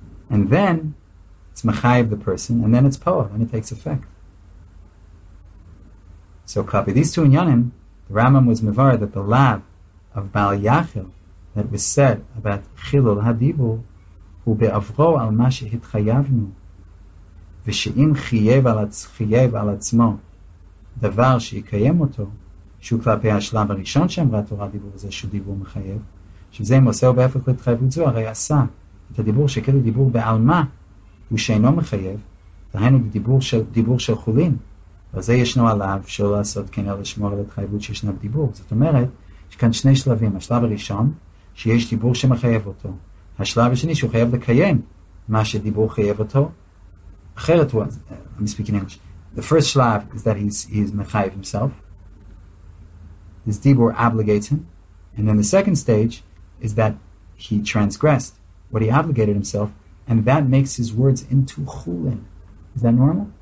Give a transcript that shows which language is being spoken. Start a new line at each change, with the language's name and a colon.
English: And then it's mechayiv the person, and then it's poel, and it takes effect. So klapei these two inyanim, the Rambam was mevar that the lav of Baal Yachil that was said about chilul hadibur,
Hebrew: hu be'avro al ma shehitchayavnu, ושאם חייב על עצמו דבר שיקיים אותו, שהוא כלפי השלב הראשון שאמרה תורה דיבור זה, שהוא דיבור מחייב, שזה אם עושה הוא בהפך להתחייבות זו, הרי עשה את הדיבור שכאילו דיבור בעלמה, הוא שאינו מחייב, דהיינו דיבור של חולין, וזה ישנו עליו שלא לעשות כן אלא לשמור על התחייבות שישנה בדיבור. זאת אומרת, יש כאן שני שלבים, השלב הראשון, שיש דיבור שמחייב אותו, השלב השני שהוא חייב לקיים מה שדיבור חייב אותו, אחרת הוא,
English: I'm speaking English, the first שלב is that he's מחייב himself, his דיבור obligates him, and then the second stage is that he transgressed what he obligated himself, and that makes his words into chulin. Is that normal?